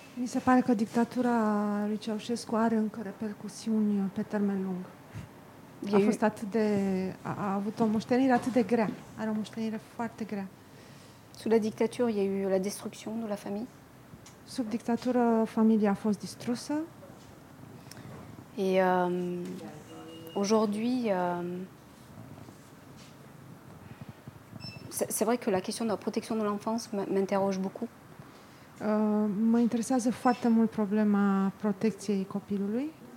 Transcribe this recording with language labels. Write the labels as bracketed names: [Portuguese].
[Romanian] Mi se pare că dictatura lui Ceaușescu are încă repercusiuni pe termen lung. A fost atât de a avut o moștenire atât de grea. Are o moștenire foarte grea. [French] Sous la dictature, il y a eu la destruction de la famille. [Romanian] Sub dictatură familia a fost distrusă. [French] Et aujourd'hui c'est vrai que la question de la protection de l'enfance m'interroge beaucoup. [Romanian] Mă interesează foarte mult problema protecției copilului.